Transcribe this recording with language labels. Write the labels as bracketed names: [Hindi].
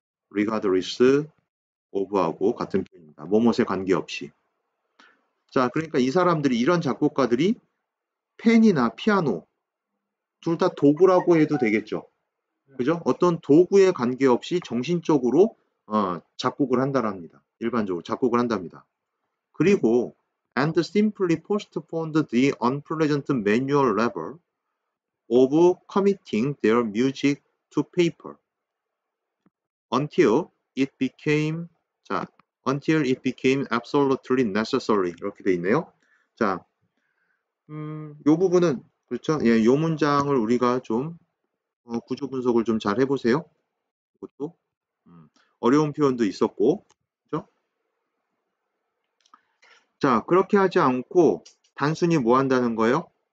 [Korean] regardless of하고 같은 표현입니다. 무엇에 관계없이. 자, 그러니까 이 사람들이 이런 작곡가들이 펜이나 피아노 둘다 도구라고 해도 되겠죠. 그죠? 어떤 도구에 관계없이 정신적으로 작곡을 한다랍니다. 일반적으로 작곡을 한답니다. 그리고 [English] and simply postponed the unpleasant manual labor of committing their music to paper until it became, 자, until it became absolutely necessary. [Korean] 이렇게 돼 있네요. 자, 요 부분은, 그렇죠? 예, 요 문장을 우리가 좀 구조 분석을 좀잘 해보세요. 이것도. 어려운 표현도 있었고, 자, 그렇게 하지 않고 단순히 뭐 한다는 거예요?